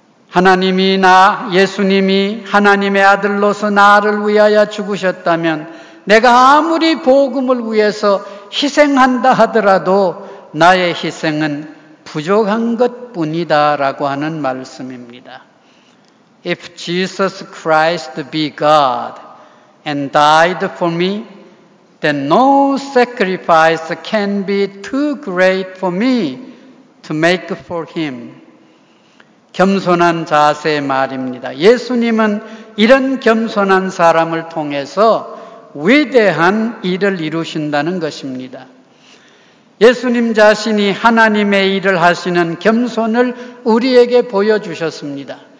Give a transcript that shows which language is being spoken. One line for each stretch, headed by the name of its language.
Korean: 하나님이 나, 예수님이 하나님의 아들로서 나를 위하여 죽으셨다면 내가 아무리 복음을 위해서 희생한다 하더라도 나의 희생은 부족한 것뿐이다 라고 하는 말씀입니다.
English: If Jesus Christ be God and died for me, then no sacrifice can be too great for me to make for him.
Korean: 겸손한 자세의 말입니다. 예수님은 이런 겸손한 사람을 통해서 위대한 일을 이루신다는 것입니다. 예수님 자신이 하나님의 일을 하시는 겸손을 우리에게 보여주셨습니다.